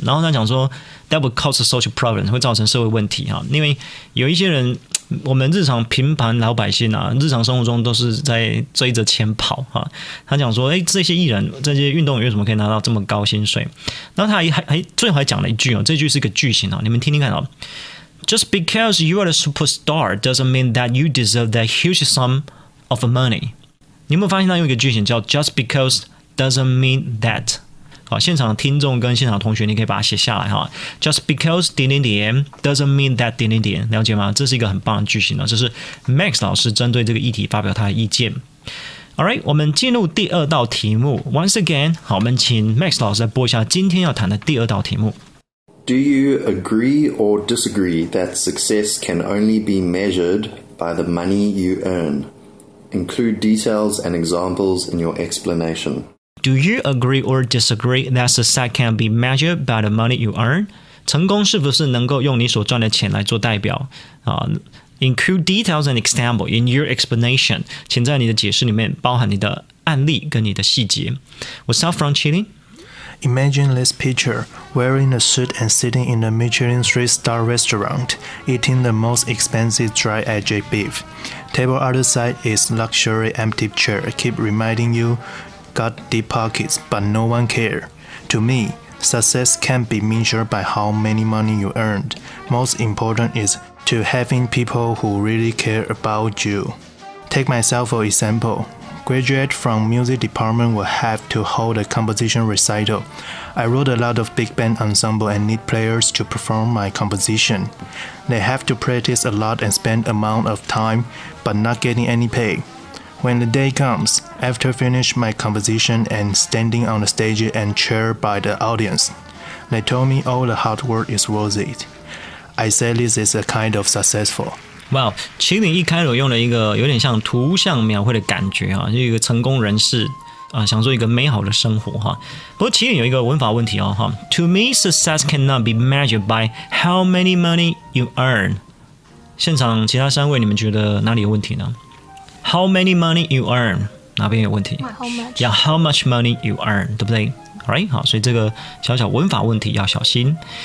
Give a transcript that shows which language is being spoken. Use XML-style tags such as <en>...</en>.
<zh>然后他讲说 ，</zh> <en>that would cause social problems，</en> <zh>会造成社会问题哈。因为有一些人，我们日常平凡老百姓啊，日常生活中都是在追着钱跑哈。他讲说，哎，这些艺人、这些运动员为什么可以拿到这么高薪水？然后他还最后还讲了一句哦，这句是个句型哦，你们听听看哦。</zh> <en>Just because you are a superstar doesn't mean that you deserve that huge sum of money。</en> <zh>你有没有发现他用一个句型叫</zh> <en>just because？ Doesn't mean that.</en> <zh>好，现场听众跟现场同学，你可以把它写下来哈。</zh> <en>Just because</en> <zh>点点点</zh> <en>doesn't mean that 点点点，</en> <zh>了解吗？这是一个很棒的句型呢。这是 Max 老师针对这个议题发表他的意见。</zh> <en>All right，</en> <zh>我们进入第二道题目。</zh> <en>Once again，</en> <zh>好，我们请 Max 老师来播一下今天要谈的第二道题目。</zh> <en>Do you agree or disagree that success can only be measured by the money you earn? Include details and examples in your explanation. Do you agree or disagree that success can be measured by the money you earn?</en> <zh>成功是不是能够用你所赚的钱来做代表？</zh> <en>Include details and example in your explanation.</en> <zh>请在你的解释里面包含你的案例跟你的细节。</zh> <en>What's up from Chile? Imagine this picture, wearing a suit and sitting in a Michelin 3-star restaurant, eating the most expensive dry-aged beef. Table other side is luxury empty chair, keep reminding you, got deep pockets, but no one care. To me, success can't be measured by how many money you earned. Most important is to having people who really care about you. Take myself for example. Graduate from music department will have to hold a composition recital. I wrote a lot of big band ensemble and need players to perform my composition. They have to practice a lot and spend amount of time, but not getting any pay. When the day comes, after finish my composition and standing on the stage and cheered by the audience, they told me all the hard work is worth it. I say this is a kind of successful.</en> <zh>哇、</zh> <en>wow,</en> <zh>，麒麟一开始用了一个有点像图像描绘的感觉哈，就一个成功人士啊、想做一个美好的生活哈。不过麒麟有一个文法问题哦哈。</zh> <en>To me, success cannot be measured by how many money you earn。</en> <zh>现场其他三位，你们觉得哪里有问题呢 ？</zh> <en>How many money you earn</en> <zh>哪边有问题</zh> <en>？Yeah, how much money you earn，</en> <zh>对不对 ？</zh> <en>All right，</en> <zh>好，所以这个小小文法问题要小心。</zh>